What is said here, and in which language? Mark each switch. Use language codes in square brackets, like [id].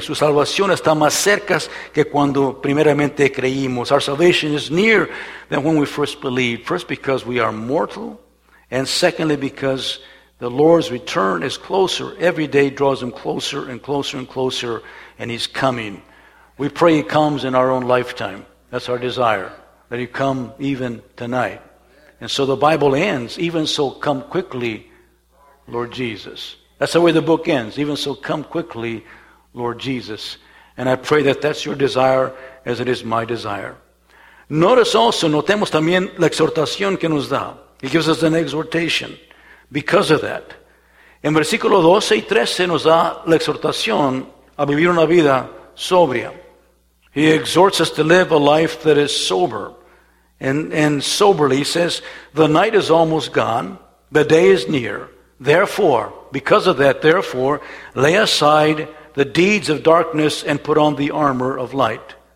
[es] Su salvación está más cerca que cuando primeramente creímos. [en] Our salvation is near than when we first believed. First, because we are mortal. And secondly, because the Lord's return is closer. Every day draws him closer and closer and closer, and he's coming. We pray he comes in our own lifetime. That's our desire, that he come even tonight. And so the Bible ends, even so come quickly, Lord Jesus. That's the way the book ends, even so come quickly, Lord Jesus. And I pray that that's your desire as it is my desire. Notice also, [es] notemos también la exhortación que nos da. [en] He gives us an exhortation because of that. [es] En versículo 12 y 13 nos da la exhortación a vivir una vida sobria. [en] He exhorts us to live a life that is sober. And soberly, he says, the night is almost gone, the day is near. Therefore, because of that, therefore, lay aside the deeds of darkness and put on the armor of light.